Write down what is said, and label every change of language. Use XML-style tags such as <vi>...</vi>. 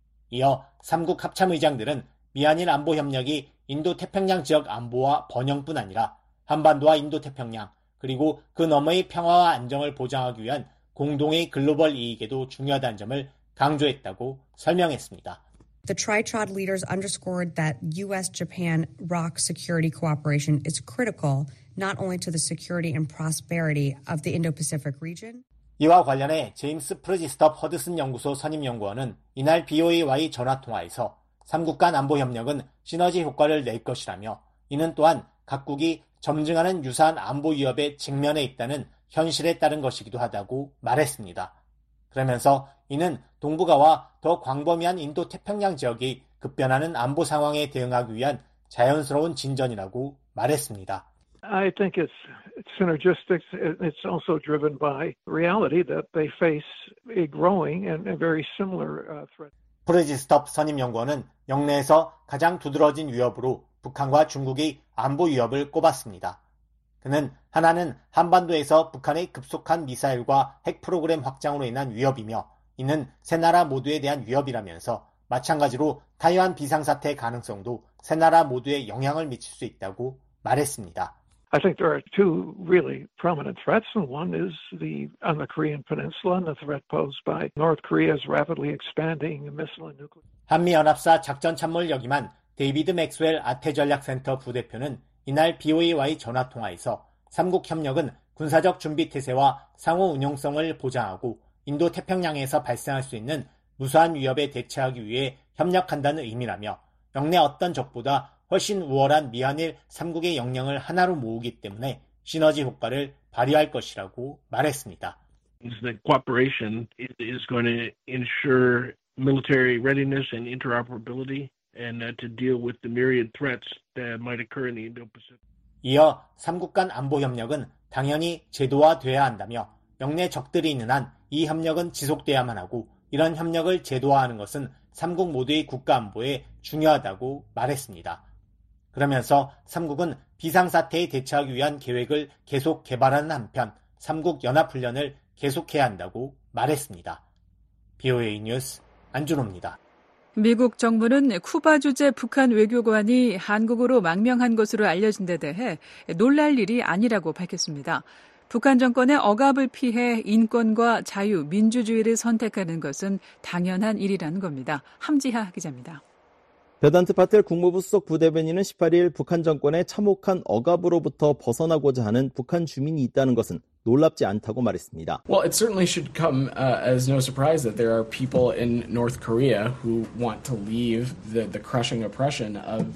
<ko>이어 3국 합참의장들은 미한일 안보협력이 인도태평양 지역 안보와 번영뿐 아니라 한반도와 인도태평양 그리고 그 너머의 평화와 안정을 보장하기 위한 공동의 글로벌 이익에도 중요하다는 점을 강조했다고 설명했습니다.</ko> <en>The Tri-Trad leaders underscored that U.S.-Japan ROC security cooperation is critical not only to the security and prosperity of the Indo-Pacific region.</en> <ko>이와 관련해 제임스 프리지스톱 허드슨 연구소 선임 연구원은 이날 BOA와의 전화 통화에서 3국 간 안보 협력은 시너지 효과를 낼 것이라며 이는 또한 각국이 점증하는 유사한 안보 위협에 직면해 있다는 현실에 따른 것이기도 하다고 말했습니다. 그러면서 이는 동북아와 더 광범위한 인도 태평양 지역이 급변하는 안보 상황에 대응하기 위한 자연스러운 진전이라고 말했습니다.</ko> <en>I think it's synergistic. It's also driven by reality that they face a growing and a very similar threat.</en> <ko>프레지스톱 선임 연구원은 역내에서 가장 두드러진 위협으로 북한과 중국이 안보 위협을 꼽았습니다. 그는 하나는 한반도에서 북한의 급속한 미사일과 핵 프로그램 확장으로 인한 위협이며 이는 세 나라 모두에 대한 위협이라면서 마찬가지로 타이완 비상사태 가능성도 세 나라 모두에 영향을 미칠 수 있다고 말했습니다.</ko> <en>I think there are two really prominent threats, and one is on the Korean Peninsula, and the threat posed by North Korea's rapidly expanding missile and nuclear.</en> <ko>한미연합사 작전참모를 역임한 데이비드 맥스웰 아태전략센터 부대표는 이날 BOA와의 전화통화에서 3국 협력은 군사적 준비 태세와 상호 운용성을 보장하고 인도태평양에서 발생할 수 있는 무수한 위협에 대처하기 위해 협력한다는 의미라며 역내 어떤 적보다 훨씬 우월한 미한일 3국의 역량을 하나로 모으기 때문에 시너지 효과를 발휘할 것이라고 말했습니다.</ko> <en>The cooperation is going to ensure military readiness and interoperability and to deal with the myriad threats that might occur in the Indo-Pacific.</en> <ko>이어 3국 간 안보 협력은 당연히 제도화돼야 한다며 역내 적들이 있는 한 이 협력은 지속돼야만 하고 이런 협력을 제도화하는 것은 3국 모두의 국가 안보에 중요하다고 말했습니다. 그러면서 3국은 비상사태에 대처하기 위한 계획을 계속 개발하는 한편 3국 연합훈련을 계속해야 한다고 말했습니다. BOA 뉴스 안준호입니다. 미국 정부는 쿠바 주재 북한 외교관이 한국으로 망명한 것으로 알려진 데 대해 놀랄 일이 아니라고 밝혔습니다. 북한 정권의 억압을 피해 인권과 자유, 민주주의를 선택하는 것은 당연한 일이라는 겁니다. 함지하 기자입니다. 베단트 파텔 국무부 수석 부대변인은 18일 북한 정권의 참혹한 억압으로부터 벗어나고자 하는 북한 주민이 있다는 것은 놀랍지 않다고 말했습니다.</ko> <en>Well, it certainly should come as no surprise that there are people in North Korea who want to leave the crushing oppression of.</en>